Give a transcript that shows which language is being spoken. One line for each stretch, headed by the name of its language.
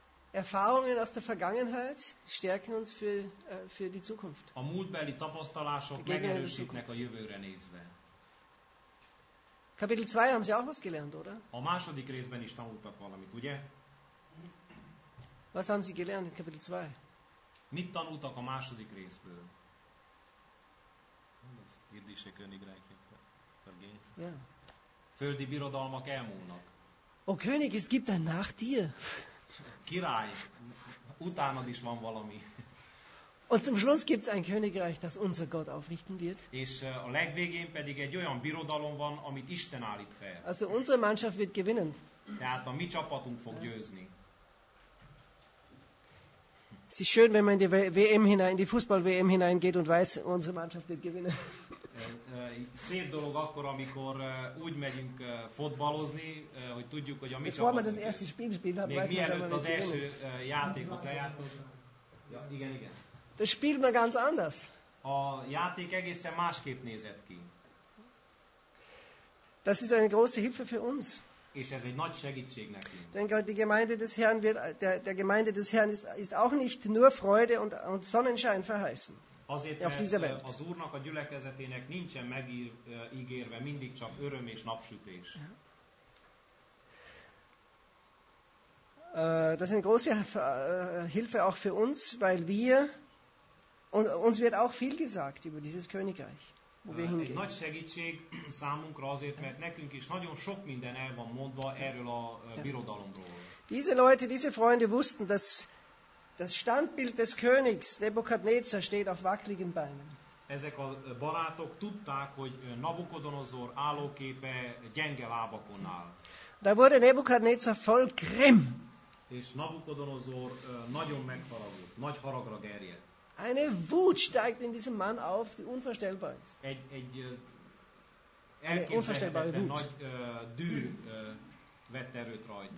German: Erfahrungen aus der Vergangenheit stärken uns für die Zukunft.
Hungarian: A múltbeli tapasztalások megerősítnek a jövőre nézve.
German: Kapitel 2 haben Sie auch was gelernt, oder?
Hungarian: A második részben is tanultak valamit, ugye?
German: Was haben Sie gelernt in Kapitel 2?
Hungarian: Mit tanultak a második részből?
German: Az irdische Königreiche. Ja.
Hungarian: Földi birodalmak elmúlnak.
German: O König, es gibt ein nach dir.
Hungarian: Király, utánad is van valami.
German: Und zum Schluss gibt's ein Königreich, das unser Gott aufrichten wird.
Hungarian: És a legvégén pedig egy olyan birodalom van, amit Isten állít fel.
German: Also unsere Mannschaft wird gewinnen.
Hungarian: Tehát a mi csapatunk fog győzni.
German: Es ist schön, wenn man in die WM hinein, in die Fußball-WM hineingeht und weiß, unsere Mannschaft wird gewinnen.
Hungarian: Szép dolog akkor, amikor úgy megyünk futballozni, hogy tudjuk, hogy a mi csapatunk.
German: Bevor man das erste Spiel spielt, hat, weiß man,
Hungarian: hogy az első játékot lejátszott. Ja, igen, igen.
German: Das spielt man ganz anders.
Hungarian: A játék egészen másképp nézett ki.
German: Das ist eine große Hilfe für uns.
Hungarian: És ez egy nagy segítség nekünk.
German: Denk halt, die Gemeinde des Herrn wird, der Gemeinde des Herrn ist auch nicht nur Freude und Sonnenschein verheißen. Azért, auf dieser Welt.
Hungarian: Az Úrnak a gyülekezetének nincsen megígérve mindig csak öröm és napsütés.
German: Das ist eine große Hilfe auch für uns, weil wir, und uns wird auch viel gesagt über dieses Königreich, wo wir hingehen.
Hungarian: Egy nagy segítség számunkra azért, mert nekünk is nagyon sok minden el van mondva erről a birodalomról.
German: Diese Leute, diese Freunde wussten, dass das Standbild des Königs Nebukadnezar steht auf wackeligen Beinen.
Hungarian: Ezek a barátok tudták, hogy Nabukodonozor állóképe gyenge lábakon áll.
German: Da wurde Nebukadnezar voll grimm.
Hungarian: És Nabukodonozor nagyon megharagult, nagy haragra gerjedt.
German: Eine Wut steigt in diesem Mann auf, die unvorstellbar ist.
Hungarian: Egy elképzelhetetlen nagy dű vett erőt rajta.